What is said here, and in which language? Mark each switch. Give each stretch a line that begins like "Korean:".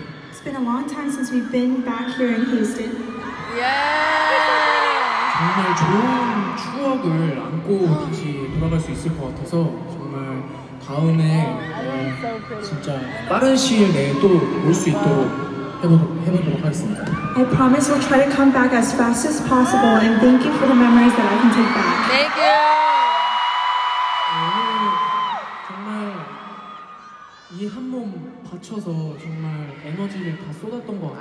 English: It's been a long time since we've been back here in Houston. Yeah!
Korean: 정말 좋은 추억을 안고 다시 돌아갈 수 있을 것 같아서 정말 다음에 진짜 빠른 시일 내에 또 올 수 있도록
English: I promise we'll try to come back as fast as possible and thank you for the memories that I can take back. Thank you!
Korean: 정말 이 한 몸 바쳐서 정말 에너지를 다 쏟았던 것 같아요.